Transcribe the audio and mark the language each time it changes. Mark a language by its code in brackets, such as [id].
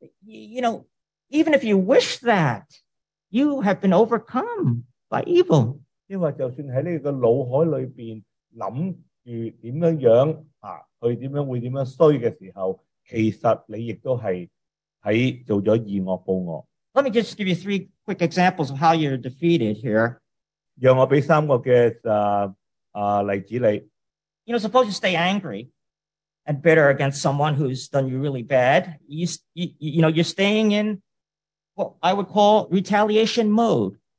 [en] You know, even if you wish that, you have been overcome by evil. [yue] 即系话，就算喺你嘅脑海里边谂住点样样，佢点样会点样衰嘅时候，其实你亦都系喺做咗以恶报恶。 [en] Let me just give you three quick examples of how you're defeated here. [yue] 让我俾三个嘅例子你。 [en] You know, suppose you stay angry and bitter against someone who's done you really bad. You're staying in what I would call retaliation mode.